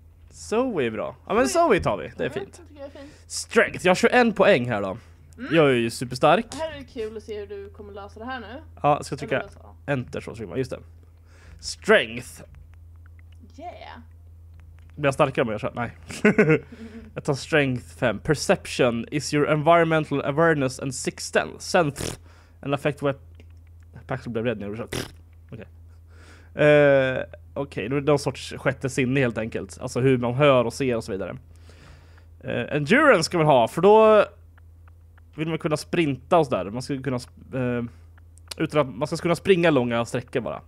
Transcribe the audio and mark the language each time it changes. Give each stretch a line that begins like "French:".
Swedish: Zoe är bra. Ja, men Zoe tar vi. Det är fint. Jag tycker jag är fint. Strength. Jag har 21 poäng här då. Mm. Jag är ju superstark. Det här är kul att se hur du kommer lösa det här nu. Ja, ska trycka enter så trycker man. Just det. Strength.
English: Yeah.
Swedish: Blir jag starkare om jag kör? Nej. Jag tar strength 5.
English: Perception is your environmental awareness and sixth sense. En effect web.
Swedish: Paxel blev rädd när jag kör. Okej, det är någon sorts sjätte sinne helt enkelt. Alltså hur man hör och ser och så vidare. Endurance ska man ha, för då vill man kunna sprinta och sådär. Man ska kunna kunna springa långa sträckor bara.